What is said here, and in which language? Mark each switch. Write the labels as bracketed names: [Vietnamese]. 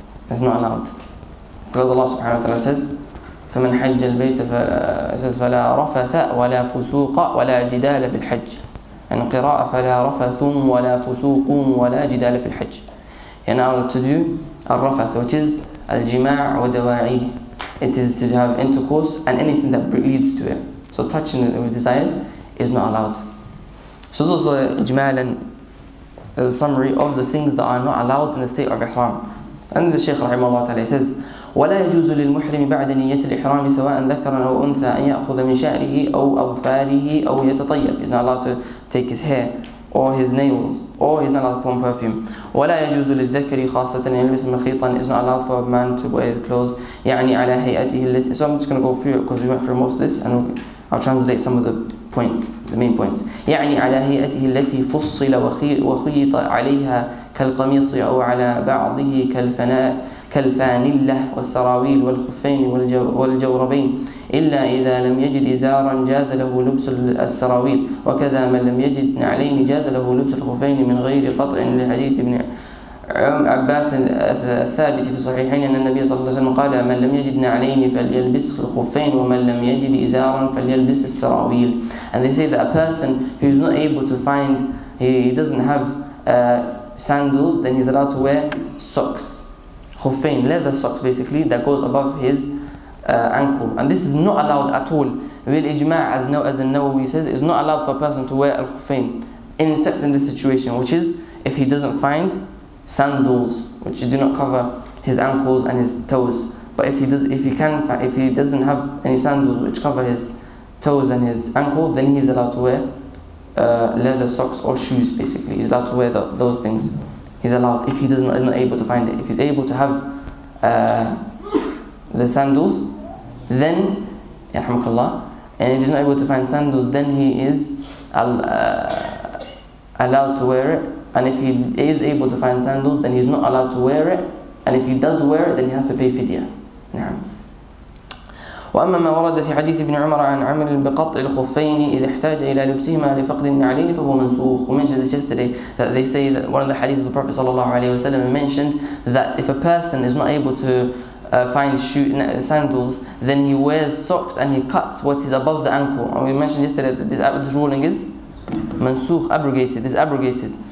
[English] That's not allowed. Because Allah subhanahu wa ta'ala says, [Arabic] فَمَنْ حَجَّ الْبَيْتَ فَلَا رَفَثَ وَلَا فُسُوقَ وَلَا جِدَالَ فِي الْحَجِّ يعني قراءة فَلَا رَفَثُمْ وَلَا فُسُوقُمْ وَلَا جِدَالَ فِي الْحَجِّ يعني [English] I'll to do [Arabic] الرفث, [English] which is [Arabic] الجماع ودواعي. [English] It is to have intercourse and anything that leads to it. So touching it with desires is not allowed. So those are إجمالا, the summary of the things that are not allowed in the state of ihram. And the Shaykh [Arabic] رحمه الله تعالى says, ولا يجوز للمحرم بعد نية الإحرام سواء ذكرا أو أنثى أن يأخذ من شعره أو أظفاره أو يتطيب. [English] He's not allowed to take his hair or his nails, or he's not allowed to put on perfume. [Arabic] ولا يجوز للذكر خاصة أن يلبس مخيطا. [English] It's not allowed for a man to wear the clothes. [Arabic] يعني على هيئته التي. [English] So I'm just going to go through it because we went through most of this, and I'll translate some of the points, the main points. [Arabic] يعني على هيئته التي فصل وخيط عليها كالقميص أو على بعضه كالفناء. كالفانلة والسراويل والخفين والجوربين إلا إذا لم يجد إزارا جاز له لبس السراويل وكذا من لم يجد نعلين جاز له لبس الخفين من غير قطع لحديث ابن عباس الثابت في الصحيحين أن النبي صلى الله عليه وسلم قال من لم يجد نعلين فليلبس الخفين ومن لم يجد إزارا فليلبس السراويل. [English] And they say that a person who is not able to find, he doesn't have sandals, then he's allowed to wear socks. Khuffain, leather socks basically, that goes above his ankle. And this is not allowed at all. Bil ijma', as Nawawi says, is not allowed for a person to wear al-khuffain except in this situation, which is if he doesn't find sandals which do not cover his ankles and his toes. But if he doesn't have any sandals which cover his toes and his ankle, then he's allowed to wear leather socks or shoes. Basically, he's allowed to wear those things. He's allowed if he is not able to find it. If he's able to have the sandals, then yarhamukallah. And if he's not able to find sandals, then he is allowed to wear it. And if he is able to find sandals, then he's not allowed to wear it. And if he does wear it, then he has to pay fidya. [Arabic] نعم. وأما ما ورد في حديث ابن عمر عن عمر بقطع الخفين إذا احتاج إلى لبسهما لفقد النعلين فهو منسوخ. [English] We mentioned this yesterday that they say that one of the hadith of the Prophet sallallahu alaihi wasallam mentioned that if a person is not able to find sandals, then he wears socks and he cuts what is above the ankle. And we mentioned yesterday that this ruling is منسوخ, abrogated. This abrogated.